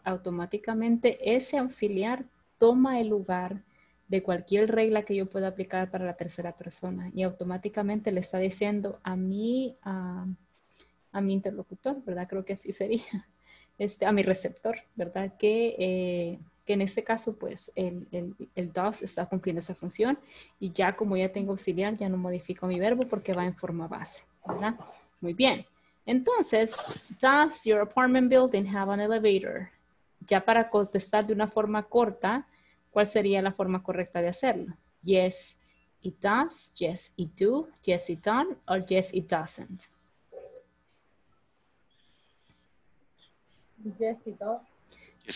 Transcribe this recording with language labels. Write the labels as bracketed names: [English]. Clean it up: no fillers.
[Spanish] Automáticamente ese auxiliar toma el lugar de cualquier regla que yo pueda aplicar para la tercera persona y automáticamente le está diciendo a mi interlocutor, ¿verdad? Creo que así sería, a mi receptor, ¿verdad? Que en este caso, pues, el does está cumpliendo esa función y ya como ya tengo auxiliar, ya no modifico mi verbo porque va en forma base, ¿verdad? Muy bien. Entonces, [English] does your apartment building have an elevator? [Spanish] ya para contestar de una forma corta, ¿cuál sería la forma correcta de hacerlo? [English] Yes, it does. Yes, it do. Yes, it done. Or yes, it doesn't. Yes, it does.